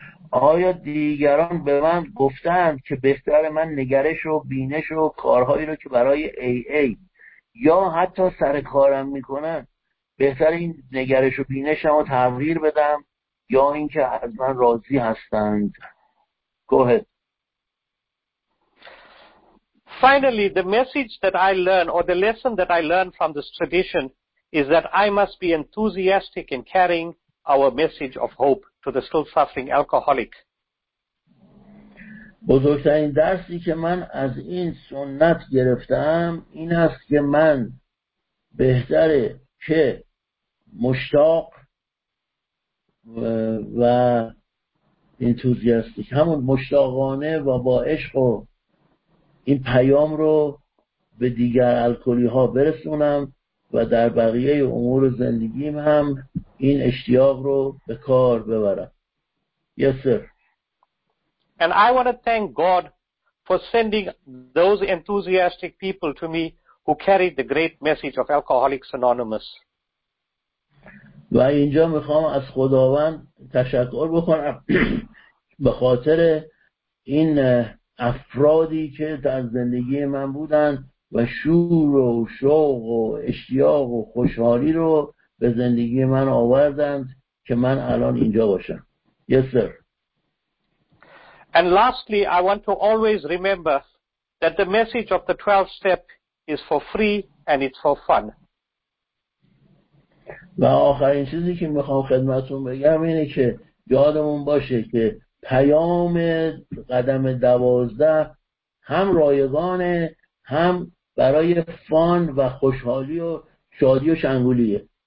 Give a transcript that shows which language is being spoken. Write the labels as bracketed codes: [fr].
[fa] آیا دیگران به من گفتند که بهتر من نگرش و بینش و کارهایی رو که برای AA یا حتی سر کارم میکنن بهتر این نگرش و بینشم رو تغییر بدم یا اینکه از من راضی هستند؟ [en] Go ahead. Finally, the message that I learn or the lesson that I learn from this tradition is that I must be enthusiastic in carrying our message of hope to the still suffering alcoholic. [fa] بزرگترین درسی که من از این سنت گرفتم این است که من بهتره که مشتاق و انتوزیاستی، همون مشتاقانه و با عشق و این پیام رو به دیگر الکلی ها برسونم و در بقیه امور زندگیم هم این اشتیاق رو به کار ببرم. [en] Yes sir. And I want to thank God for sending those enthusiastic people to me who carried the great message of Alcoholics Anonymous. [fa] و اینجا میخوام از خداوند تشکر بکنم به خاطر این افرادی که در زندگی من بودن و شور و شوق و اشتیاق و خوشحالی رو به زندگی من آوردند که من الان اینجا باشم. [en] Yes sir. And lastly, I want to always remember that the message of the 12th step is for free and it's for fun. [fa] و آخرین چیزی که میخوام خدمتتون بگم اینه که یادمون باشه که پیام قدم 12 هم رایگانه، هم برای فان و خوشحالی و شادی و شنگولیه.